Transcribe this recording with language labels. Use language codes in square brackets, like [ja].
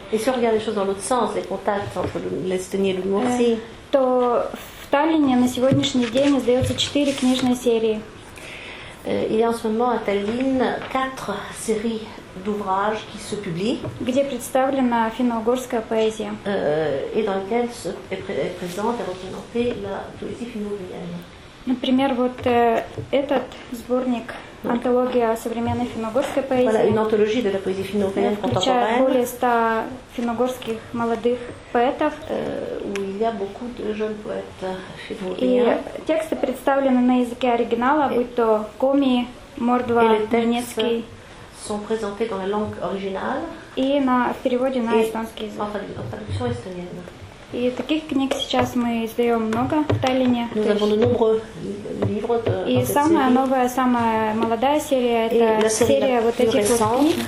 [ru] если [fr] regarder les choses dans l'autre sens, les contacts entre l'Estonie et l'Udmurtie, [ru] то в Таллине на сегодняшний день издается 4 книжные серии. [fr] Il y a en ce moment à Tallinn 4 séries d'ouvrages qui se publient. [ru] Где представлена финно-угорская поэзия. [fr] Et dans lequel est présente et représentée la poésie finno-ugrienne. [ru] Например, вот этот сборник, антология современной финно-угорской поэзии. [fr] Voilà, une anthologie de la poésie finno-ugrienne contemporaine. [ru] Включает более 100 финно-угорских молодых поэтов. [fr] Où il y a beaucoup de jeunes poètes finno-ugriens. [ru] И тексты представлены на языке оригинала, будь то коми, мордва, донецкий. [fr] Sont présentés dans la langue originale et [ru] на переводе на эстонский язык. [fr] En traduction estonienne. [ru] И таких книг сейчас мы издаем много в Таллине. [fr] Nous avons de nombreux livres. [ru] И самая новая, самая молодая серия – это серия вот этих вот книг.